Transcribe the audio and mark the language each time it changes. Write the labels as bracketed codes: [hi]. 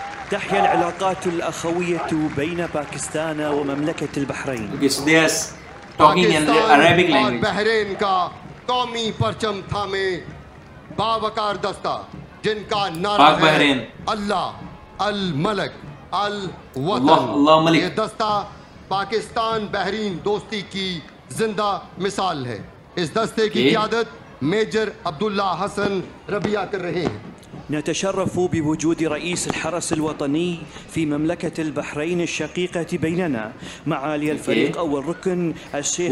[ar] تحيا العلاقات الأخوية بين باكستان ومملكة البحرين. [en] Okay, so they are talking in the Arabic language. [ur] Pakistan Bahrain کا قومی پرچم تھامے باوقار دستہ جن کا نعرہ ہے [ar] اللہ الملک الوطن [ur] اللہ ملک یہ دستہ پاکستان بحرین دوستی کی زندہ مثال ہے اس دستے کی قیادت میجر عبداللہ حسن ربیع کر رہے ہیں [ar] نتشرف بوجود رئيس الحرس الوطني في مملكة البحرين الشقيقة بيننا معالي الفريق أو الركن الشيخ